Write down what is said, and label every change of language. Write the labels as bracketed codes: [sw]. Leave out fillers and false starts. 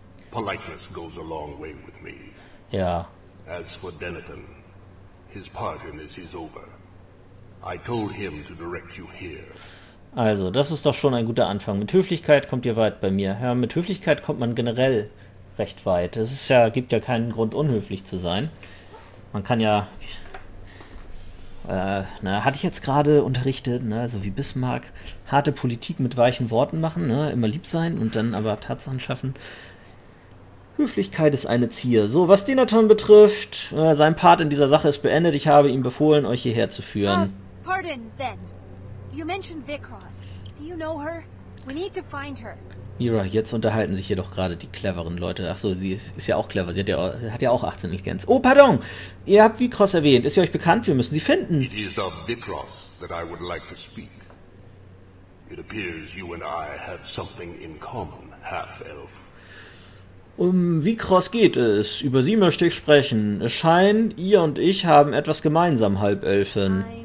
[en] Politeness goes a long way with me. Ja. As for Denaton, his part in this is over. I told him to direct you here. [de] Also, das ist doch schon ein guter Anfang. Mit Höflichkeit kommt ihr weit bei mir. Ja, mit Höflichkeit kommt man generell recht weit. Es ist ja, gibt ja keinen Grund, unhöflich zu sein. Man kann ja... hatte ich jetzt gerade unterrichtet, ne, so wie Bismarck, harte Politik mit weichen Worten machen, ne, immer lieb sein und dann aber Tatsachen schaffen. Höflichkeit ist eine Zier. So, was Denaton betrifft, sein Part in dieser Sache ist beendet. Ich habe ihm befohlen, euch hierher zu führen. [en] Pardon, then. You mentioned Vikross. Do you know her? We need to find her. [de] Mira, jetzt unterhalten sich hier doch gerade die cleveren Leute. Achso, sie ist ja auch clever. Sie hat ja auch 18 Intelligenz. Oh, pardon! Ihr habt Vikross erwähnt. Ist sie euch bekannt? Wir müssen sie finden. [en] It is of Vikross that I would like to speak. It appears you and I have something in common, Half-Elf. [de] Um Vikross geht es. Über sie möchte ich sprechen. Es scheint, ihr und ich haben etwas gemeinsam, Halbelfin.